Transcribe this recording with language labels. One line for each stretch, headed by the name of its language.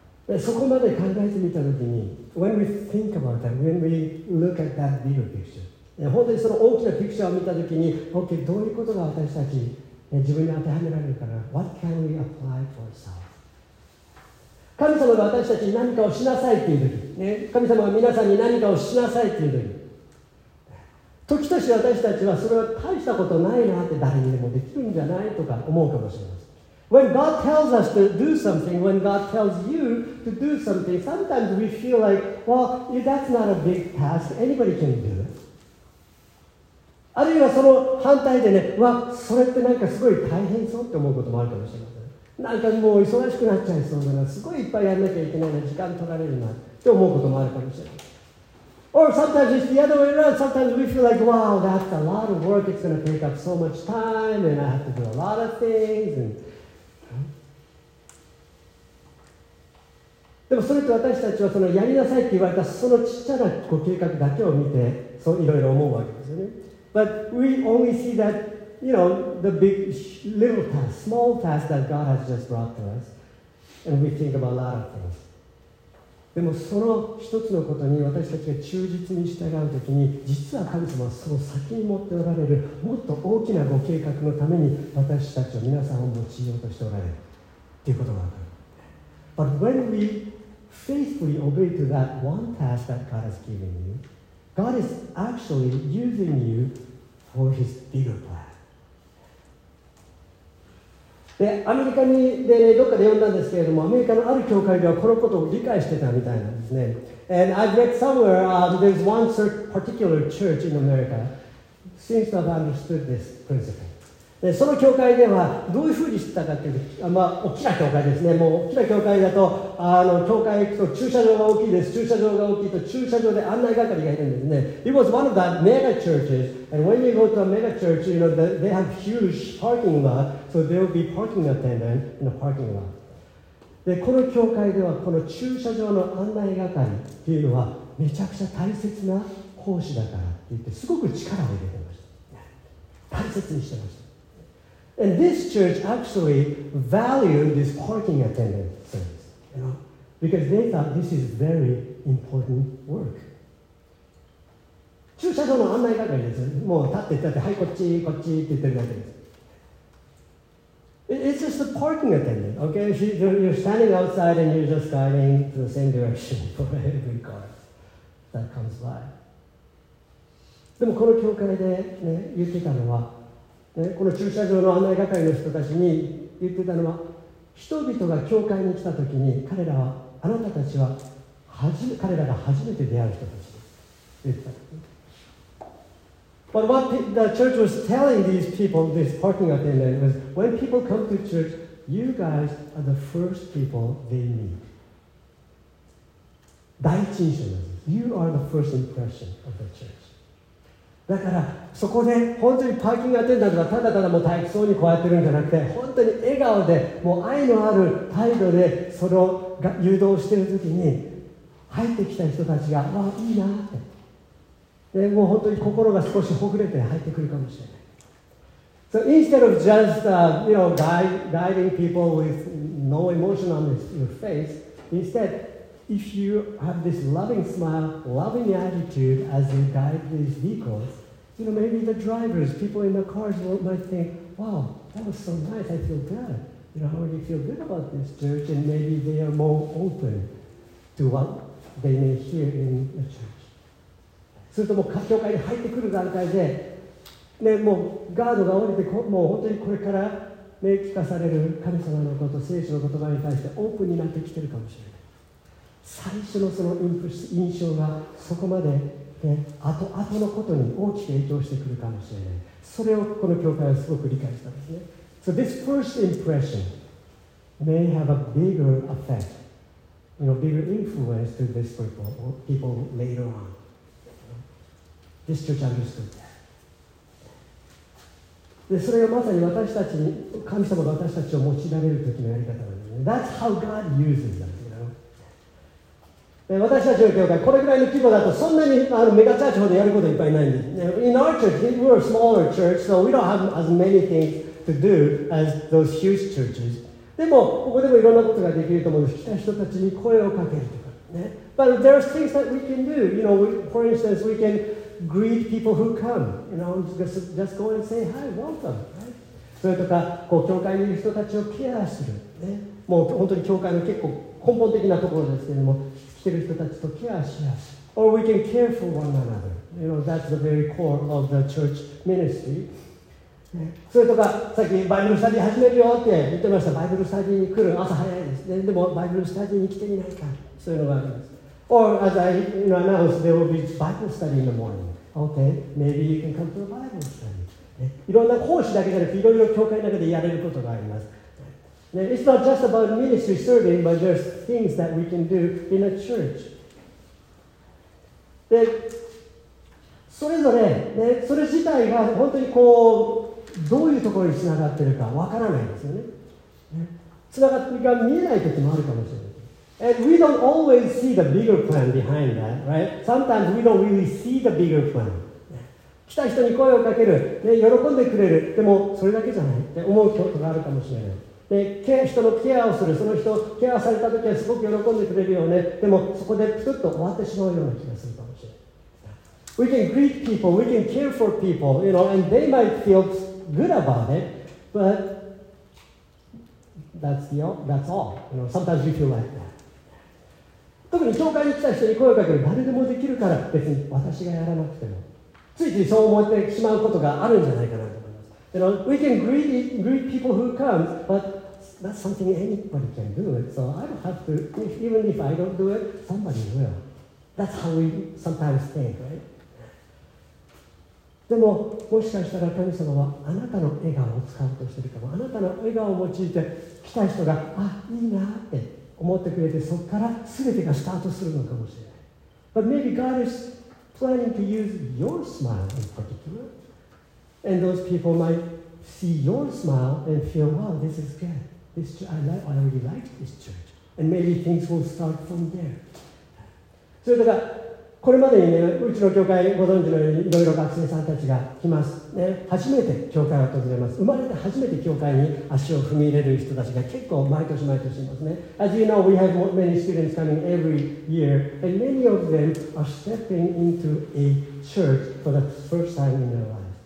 Japanese: でそこまで考えてみたときに、
English: when we think about that, when we look at that bigger picture,
Japanese: 本当にその大きなピクチャーを見たときに、okay, どういうことが私たち自分に当てはめられるかな、
English: what can we apply for ourselves?
Japanese: 神様が私たちに何かをしなさいっていうとき、ね、神様が皆さんに何かをしなさいっていうとき、時として私たちはそれは大したことないなって誰にでもできるんじゃないとか思うかもしれません。
English: When God tells us to do something, when God tells you to do something, sometimes we feel like, well, that's not a big task. Anybody can do it.
Japanese: あるいはその反対でね、わ、それってなんかすごい大変そうって思うこともあるかもしれません。なんかもう忙しくなっちゃいそうだな、すごいいっぱいやんなきゃいけないな、時間取られるなって思うこともあるかもしれません。
English: Or sometimes it's the other way around. Sometimes we feel like, wow, that's a lot of work. It's going to take up so much time, and I have to do a lot of things. And...
Japanese: でもそれと私たちはそのやりなさいって言われたそのちっちゃなご計画だけを見て、そういろいろ思うわけですよね。
English: But we only see that, you know, the big, little task, small task that God has just brought to us, and we think about a lot of things.
Japanese: でもその一つのことに私たちが忠実に従うときに、実は神様はその先に持っておられるもっと大きなご計画のために私たちを皆さんを用いようとしておられるということがわかる。
English: But when we faithfully obey to that one task that God has given you, God is actually using you for His bigger plan.
Japanese: でアメリカにで、ね、どっかで読んだんですけれども、アメリカのある教会ではこのことを理解してたみたいなんですね。
English: And I've read somewhere、there's one particular church in America seems to have understood this principle.
Japanese: でその教会ではどういうふうにしてたかというと、まあ、大きな教会ですね。もう大きな教会だと、あの教会行くと駐車場が大きいです。駐車場が大きいと駐車場で案内係がいるんですね。
English: It was one of the mega churches. And when you go to a mega church, you know, they have huge parking lot. So there will be parking attendant in the parking lot.
Japanese: で、この教会ではこの駐車場の案内係っていうのはめちゃくちゃ大切な講師だからって言ってすごく力を入れてました。大切にしてました。
English: And this church actually valued this parking attendant service, you know, because they thought this is very important work.
Japanese: 駐車場の案内係です。もう立って立って、はいこっちこっちって言ってるだけです。
English: It's just a parking attendant, okay? You're standing outside and you're just guiding to the same direction for every car that comes by.
Japanese: でもこの教会で、ね、言ってたのは、ね、この駐車場の案内係の人たちに言ってたのは、人々が教会に来た時に彼らは、あなたたちは彼らが初めて出会う人たちと言ってた。
English: But what the church was telling these people, this parking attendant, was when people come to church, you guys are the first people they meet.
Japanese: 第一印象です。
English: You are the first impression of the church.
Japanese: だから、そこで本当にパーキングアテンダントがただただもう退屈そうにこうやってるんじゃなくて、本当に笑顔で、もう愛のある態度で、それを誘導してるときに、入ってきた人たちが、わあ、いいなって。でもう本当に心が少しほぐれて入ってくるかもしれない。
English: So instead of just you know, guiding people with no emotion on your face, instead, if you have this loving smile, loving attitude as you guide these vehicles, you know, maybe the drivers, people in the cars might think, wow, that was so nice, I feel good. You know, I already feel good about this church, and maybe they are more open to what they may hear in the church.
Japanese: するともう教会に入ってくる段階で、ね、もうガードが降りて、もう本当にこれから、ね、聞かされる神様のこと、聖書の言葉に対してオープンになってきてるかもしれない。最初のその印象がそこまで、ね、後々のことに大きく影響してくるかもしれない。それをこの教会はすごく理解したんですね。
English: So this first impression may have a bigger effect, you know, bigger influence to this people later on. This church understood that.
Japanese: で、それがまさに私たちに、神様が私たちを用いられるときのやり方なんですね。
English: That's how God uses us, you know?
Japanese: で、私たちの教会、これぐらいの規模だと、そんなにあのメガチャーチほどやることいっぱいないんです。
English: In our church, we're a smaller church, so we don't have as many things to do as those huge churches.
Japanese: でも、ここでもいろんなことができると思うんです。来た人たちに声をかけるとか、ね。
English: But there are things that we can do. You know, for instance, we can... Greet people who come. You know, just go and say hi, welcome.、Right?
Japanese: それとかこう教会にいる人たちをケアする、ね、もう本当に教会の結構根本的なところですけれども、来てる人たちとケアしやすい。
English: Or we can care for one another. You know, that's the very core of the church ministry.、ね、
Japanese: それとかさっきバイブルスタディ始めるよって言ってました。バイブルスタディに来る朝早いですね。でもバイブルスタディに来てみないか。そういうのがあります。
English: Or as I you know, announced, there will be Bible study in the morning. Okay, maybe you can come to a Bible study.
Japanese: いろんな講師だけじゃなくて、いろいろ教会の中でやれることがあります。
English: Now, it's not just about ministry serving, but there's things that we can do in a church.
Japanese: で、それぞれ、ね、それ自体が本当にこう、どういうところにつながってるかわからないんですよね。つながりが見えないときもあるかもしれない。
English: And we don't always see the bigger plan behind that, right? Sometimes we don't really see the bigger plan.
Japanese: 来た人に声をかける、ね、喜んでくれる、でもそれだけじゃないって思うことがあるかもしれない。で、人のケアをする、その人をケアされたときはすごく喜んでくれるよね。でもそこでプツッと終わってしまうような気がするかもしれない。
English: We can greet people, we can care for people, you know, and they might feel good about it, but that's all. You know, sometimes we feel like that.
Japanese: 特に教会に来た人に声をかける、誰でもできるから、別に私がやらなくても。ついついそう思ってしまうことがあるんじゃないかなと思います。
English: You know, we can greet people who come, but that's something anybody can do. So I don't have to, even if I don't do it, somebody will. That's how we sometimes think, right?
Japanese: でももしかしたら神様はあなたの笑顔を使うとしているかも、あなたの笑顔を用いて来た人が、あ、いいなって思ってくれて、そこから全てがスタートするのかもしれない。
English: But maybe God is planning to use your smile in particular, and those people might see your smile and feel, wow, this is good, this I really like this church, and maybe things will start from there.
Japanese: それからこれまでにね、うちの教会ご存知のようにいろいろ学生さんたちが来ます、ね。初めて教会を訪れます。生まれて初めて教会に足を踏み入れる人たちが結構毎年毎年いますね。
English: As you know, we have many students coming every year, and many of them are stepping into a church for the first time in their life.